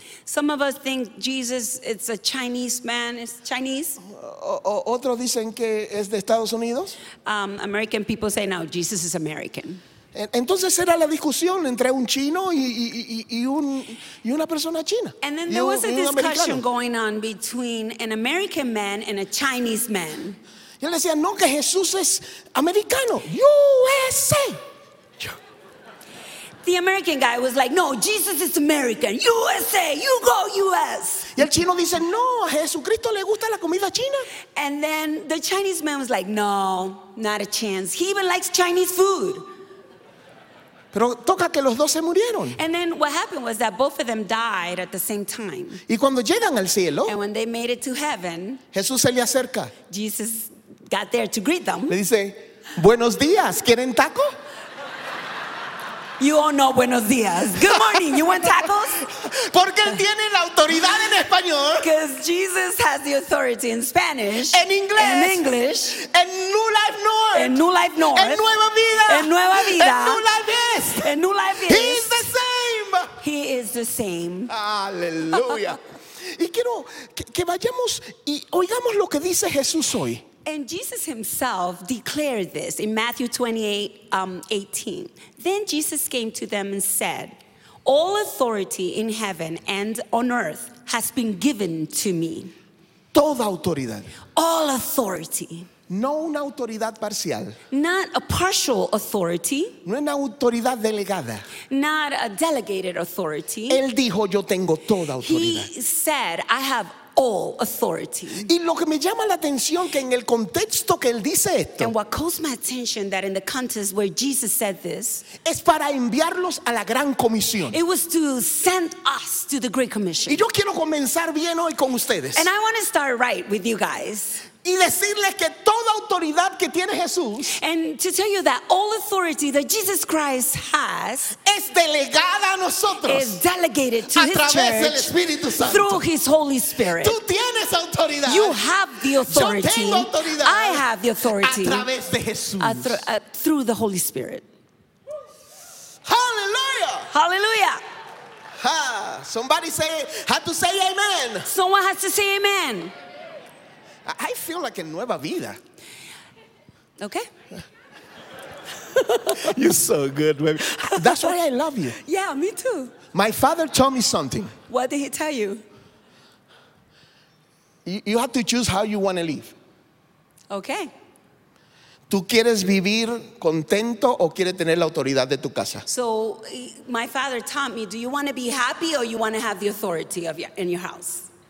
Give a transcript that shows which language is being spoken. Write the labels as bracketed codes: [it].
[en] Some of us think Jesus is a Chinese man, is Chinese. [es] Otros dicen que es de Estados Unidos. [en] American people say no, Jesus is American. [es] Entonces era la discusión entre un chino y una persona china. [en] And then there was a discussion going on between an American man and a Chinese man. [es] Y él decía, no, que Jesús es americano. [en] USA. The American guy was like, no, Jesus is American. USA, you go US. [es] Y el chino dice, no, a Jesucristo le gusta la comida china. [en] And then the Chinese man was like, no, not a chance. He even likes Chinese food. [es] Pero toca que los dos se murieron. [en] And then what happened was that both of them died at the same time. [es] Y cuando llegan al cielo, [en] and when they made it to heaven, [es] Jesús se le acerca. [en] Jesus got there to greet them. [es] Le dice, buenos días, ¿quieren taco? [en] You all know [es] buenos días. [en] Good morning, you want tacos? [es] Porque él tiene la autoridad en español. [en] Because Jesus has the authority in Spanish. [es] En inglés. [en] In English. [es] En New Life North. En New Life North. En Nueva Vida. En Nueva Vida. En New Life East. En New Life East. [en] He is the same. He is the same. [es] Aleluya. Y quiero que vayamos y oigamos lo que dice Jesús hoy. [en] And Jesus himself declared this in Matthew 28:18. Then Jesus came to them and said, all authority in heaven and on earth has been given to me. [es] Toda autoridad. [en] All authority. [es] No una autoridad parcial. [en] Not a partial authority. [es] No una autoridad delegada. [en] Not a delegated authority. [es] Él dijo, yo tengo toda autoridad. [en] He said, I have all authority. [es] Y lo que me llama la atención que en el contexto que él dice esto. [en] And what calls my attention that in the context where Jesus said this. [es] Es para enviarlos a la gran comisión. [en] It was to send us to the Great Commission. [es] Y yo quiero comenzar bien hoy con ustedes. [en] And I want to start right with you guys. [es] Y decirles que toda autoridad que tiene Jesús. [en] And to tell you that all authority that Jesus Christ has. [es] Es delegada a nosotros. [en] Is delegated to his [es] church. A través del Espíritu Santo. [en] Through his Holy Spirit. [es] Tú tienes autoridad. [en] You have the authority. [es] Yo tengo autoridad. [en] I have the authority. [es] A través de Jesús. [en] Through the Holy Spirit. Hallelujah. Hallelujah. Somebody say, have to say amen. Someone has to say amen. I feel like a [es] nueva vida. [en] Okay. You're so good, baby. That's why I love you. Yeah, me too. My father told me something. What did he tell you? You have to choose how you want to live. Okay. [es] ¿Tú quieres vivir contento o quieres tener la autoridad de tu casa? [en] So, my father taught me, do you want to be happy or you want to have the authority of your, in your house?